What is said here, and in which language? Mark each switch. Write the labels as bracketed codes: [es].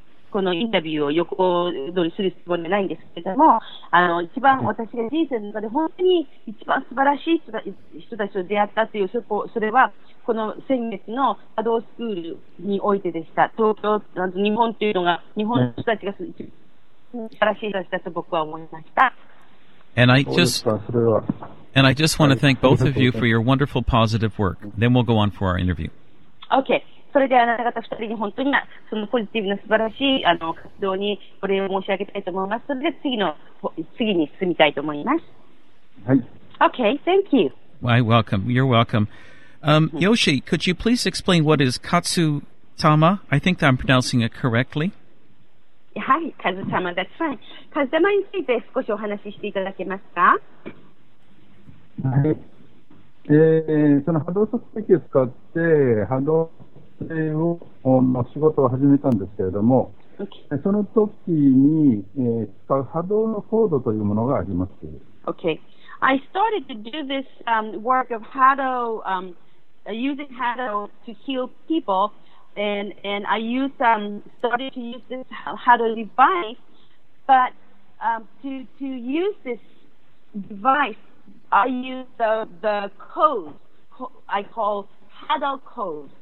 [ja] このインタビューを横取りする質問じゃないんですけれども、一番私が人生の中で本当に一番素晴らしい人たちと出会ったという、それはこの先月の波動スクールにおいてでした。東京、日本というのが、日本の人たちが素晴らしい人たちだと僕は思いました。 [en] And I just want to thank both of you for your wonderful positive work. Then we'll go on for our interview. Okay. [ja] それであなた方二人に本当にそのポジティブな素晴らしい活動にお礼を申し上げたいと思います。それで次に進みたいと思います。はい。 [en] Okay. Thank you. Why, welcome. You're welcome. Yoshi, could you please explain what is Katsutama? I think that I'm pronouncing it correctly. [ja] はい、カズ様、 [en] that's fine。 [ja] カズ様について少しお話ししていただけますか。はい。その波動測定器を使って波動測定をの仕事を始めたんですけれども、 [en] okay. [ja] その時に、使う波動のコードというものがあります。 [en] Okay. I started to do this work of Hado, using Hado to heal people. And I started to use this Hado device, but to use this device, I use the code I call Hado code.